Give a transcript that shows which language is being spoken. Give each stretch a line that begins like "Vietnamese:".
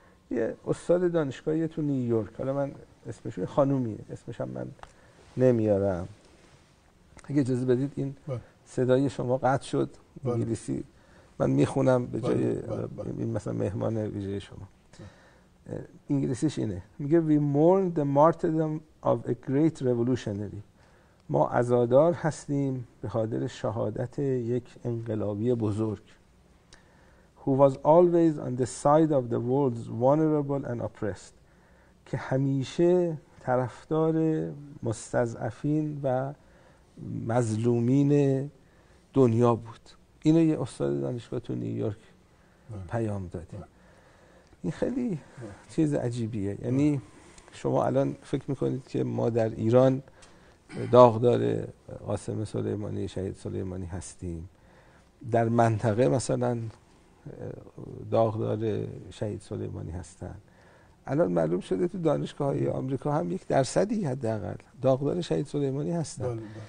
Persian: یه استاد دانشگاهی تو نیویورک، حالا من اسمش خانومیه، اسمش هم من نمیارم، اگه اجازه بدید این صدای شما قطع شد انگلیسی، من میخونم به جای این مثلا مهمان ویژه شما. انگلیسیش اینه، میگه
English: We mourn the martyrdom of a great revolutionary.
Persian: ما عزادار هستیم به خاطر شهادت یک انقلابی بزرگ.
English: Who was always on the side of the world's vulnerable and oppressed.
Persian: که همیشه طرفدار مستضعفین و مظلومین دنیا بود. اینو یه استاد دانشگاه تو نیویورک پیام داده. این خیلی چیز عجیبیه. یعنی شما الان فکر میکنید که ما در ایران داغدار قاسم سلیمانی، شهید سلیمانی هستیم، در منطقه مثلا داغدار شهید سلیمانی هستن، الان معلوم شده تو دانشگاه‌های آمریکا هم یک درصدی حداقل داغدار شهید سلیمانی هستن.